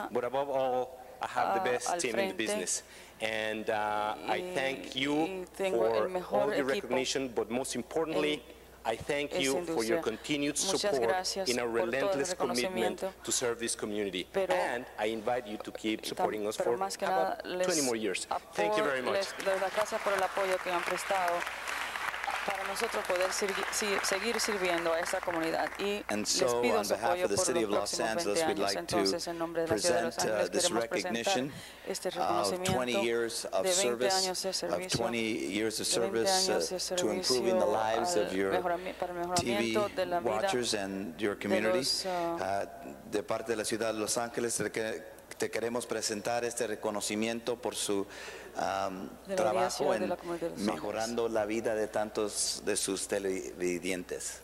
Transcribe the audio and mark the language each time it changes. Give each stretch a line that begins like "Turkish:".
English: But above all, I have the best team in the business. And I thank you for all your recognition, but most importantly, I thank you for your continued support in our relentless commitment to serve this community. And I invite you to keep supporting us for about 20 more years. Thank you very much.
Spanish: Gracias por el apoyo que han prestado para nosotros poder seguir sirviendo a esta comunidad.
English: And so, on behalf of the City of Los Angeles, we'd like to present this recognition of 20 years of service, of 20 years of service to improving the lives of your TV watchers and your community.
Spanish: De parte de la ciudad de Los Ángeles, te queremos presentar este reconocimiento por su trabajo en mejorando la vida de tantos de sus televidentes.